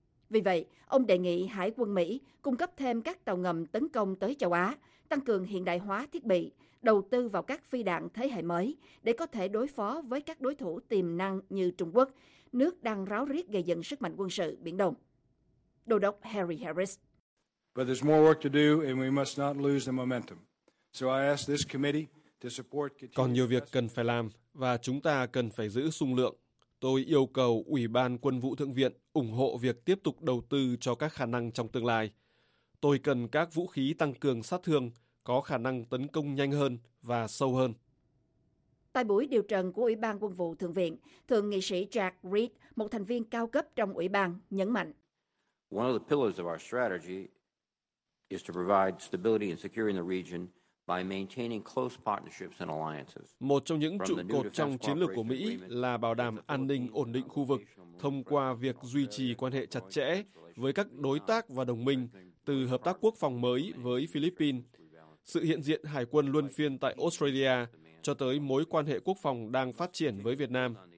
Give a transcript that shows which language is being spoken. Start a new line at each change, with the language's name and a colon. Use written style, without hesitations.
Vietnamese: Vì vậy, ông đề nghị Hải quân Mỹ cung cấp thêm các tàu ngầm tấn công tới châu Á, tăng cường hiện đại hóa thiết bị, đầu tư vào các phi đạn thế hệ mới để có thể đối phó với các đối thủ tiềm năng như Trung Quốc, nước đang ráo riết gây dựng sức mạnh quân sự Biển Đông. Đô đốc Harry Harris.
English: But there's more work to do and we must not lose the momentum. So I ask this committee to support.
Vietnamese: Còn nhiều việc cần phải làm và chúng ta cần phải giữ sung lượng. Tôi yêu cầu Ủy ban Quân vụ Thượng viện ủng hộ việc tiếp tục đầu tư cho các khả năng trong tương lai. Tôi cần các vũ khí tăng cường sát thương có khả năng tấn công nhanh hơn và sâu hơn. Tại buổi điều trần của Ủy ban Quân vụ Thượng viện, Thượng nghị sĩ Jack Reed, một thành viên cao cấp trong ủy ban, nhấn mạnh.
English: One of the pillars of our strategy is to provide stability and security in the region by maintaining close partnerships and alliances.
Vietnamese: Một trong những trụ cột trong chiến lược của Mỹ là bảo đảm an ninh ổn định khu vực thông qua việc duy trì quan hệ chặt chẽ với các đối tác và đồng minh, từ hợp tác quốc phòng mới với Philippines, sự hiện diện hải quân luân phiên tại Australia cho tới mối quan hệ quốc phòng đang phát triển với Việt Nam.